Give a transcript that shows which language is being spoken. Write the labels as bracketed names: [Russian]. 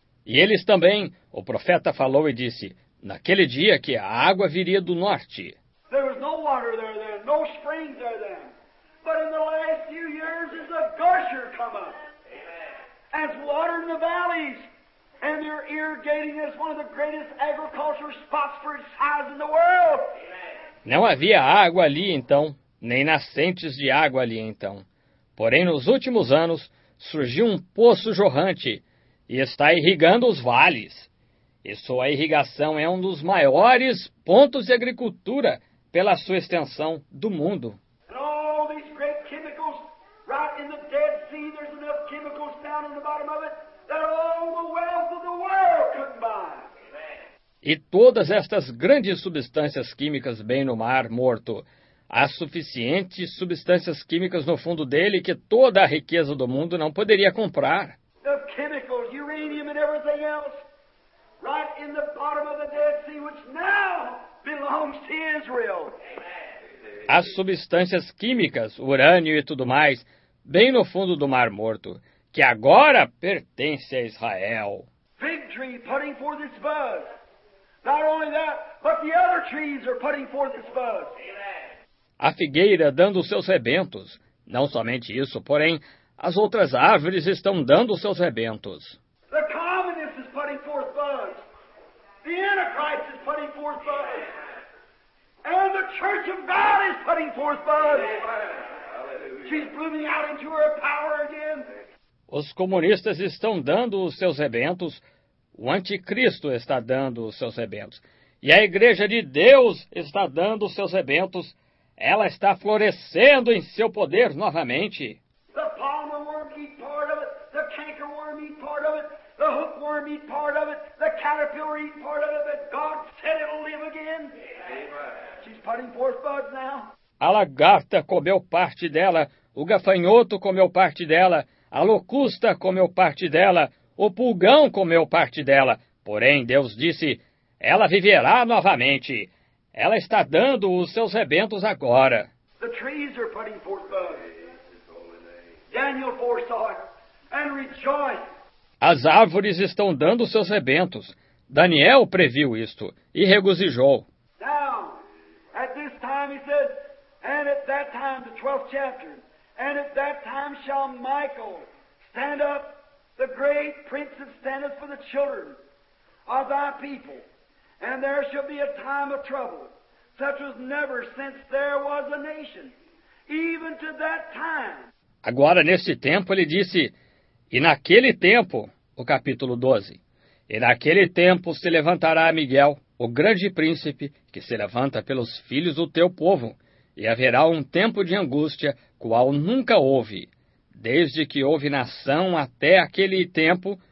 [Portuguese] E eles também, o profeta falou e disse, naquele dia que a água viria do norte. [English] There was no water there then, no springs there then. But in the last few years is a gusher come up. Amen. As water in the valleys. And they're irrigating as one of the greatest agricultural spots for its size in the world. [Portuguese] Não havia água ali então, nem nascentes de água ali então. Porém, nos últimos anos, surgiu um poço jorrante e está irrigando os vales. E sua irrigação é um dos maiores pontos de agricultura pela sua extensão do mundo. [English] And all these great chemicals, right in the Dead Sea, there's enough chemicals down in the bottom of it that all the wealth of the world could buy. [Portuguese] E todas estas grandes substâncias químicas bem no mar morto, há suficientes substâncias químicas no fundo dele que toda a riqueza do mundo não poderia comprar. [English] The chemicals, uranium and everything else, right in the bottom of the Dead Sea, which now belongs to Israel. [Portuguese] As substâncias químicas, urânio e tudo mais, bem no fundo do mar morto, que agora pertence a Israel. [English] Fig tree putting forth its buds. Not only that, but the other trees are putting forth its buds. [Portuguese] A figueira dando seus rebentos. Não somente isso, porém, as outras árvores estão dando seus rebentos. [English] The communist is putting forth buds. The antichrist is putting forth buds. And the church of God is putting forth buds. She's blooming out into her power again. [Portuguese] Os comunistas estão dando os seus rebentos. O anticristo está dando os seus rebentos. E a igreja de Deus está dando os seus rebentos. Ela está florescendo em seu poder novamente. [English] The palmer worm eat part of it. The canker worm eat part of it. The hook worm eat part of it. The caterpillar eat part of it. God said it will live again. She's putting forth buds now. [Portuguese] A lagarta comeu parte dela. O gafanhoto comeu parte dela. A locusta comeu parte dela. O pulgão comeu parte dela. Porém, Deus disse, ela viverá novamente. Ela está dando os seus rebentos agora. [English] The trees are putting forth buds. Daniel foresaw it and rejoiced. [Portuguese] As árvores estão dando seus rebentos. Daniel previu isto e regozijou. [English] Now, at this time, he said, and at that time, the 12th chapter, and at that time shall Michael stand up, the great prince that standeth for the children of thy people. And there shall be a time of trouble, such as never since there was a nation, even to that time. [Portuguese] Agora, neste tempo, ele disse, e naquele tempo, o capítulo 12, e naquele tempo se levantará Miguel, o grande príncipe, que se levanta pelos filhos do teu povo, e haverá um tempo de angústia, qual nunca houve, desde que houve nação até aquele tempo.